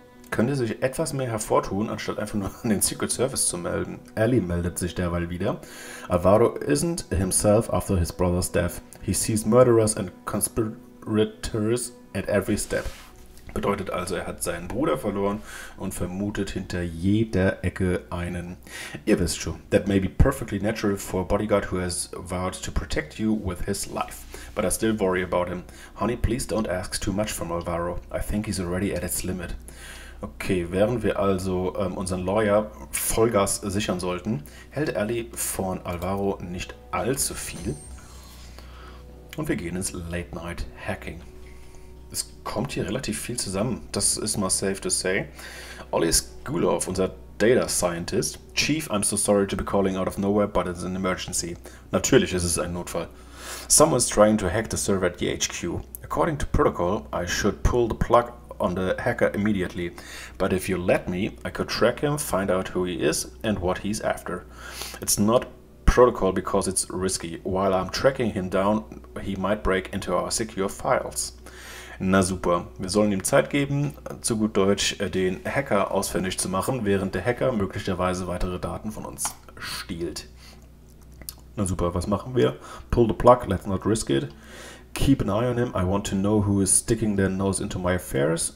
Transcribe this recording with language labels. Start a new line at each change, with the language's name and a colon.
German: Könnte sich etwas mehr hervortun, anstatt einfach nur an den Secret Service zu melden. Ellie meldet sich derweil wieder.
English: Alvaro isn't himself after his brother's death. He sees murderers and conspirators at every step.
German: Bedeutet also, er hat seinen Bruder verloren und vermutet hinter jeder Ecke einen. Ihr wisst schon,
English: that may be perfectly natural for a bodyguard who has vowed to protect you with his life. But I still worry about him. Honey, please don't ask too much from Alvaro. I think he's already at its limit.
German: Okay, während wir also unseren Lawyer Vollgas sichern sollten, hält Ellie von Alvaro nicht allzu viel. Und wir gehen ins Late Night Hacking. Es kommt hier relativ viel zusammen, das ist mal
English: safe to say.
German: Ollie Skulov, unser Data Scientist.
English: Chief, I'm so sorry to be calling out of nowhere, but it's an emergency.
German: Natürlich ist es ein Notfall.
English: Someone's trying to hack the server at the HQ. According to protocol, I should pull the plug on the hacker immediately. But if you let me, I could track him, find out who he is and what he's after. It's not protocol because it's risky. While I'm tracking him down, he might break into our secure files.
German: Na super, wir sollen ihm Zeit geben, zu gut Deutsch, den Hacker ausfindig zu machen, während der Hacker möglicherweise weitere Daten von uns stiehlt. Na super, was machen wir?
English: Pull the plug, let's not risk it. Keep an eye on him, I want to know who is sticking their nose into my affairs.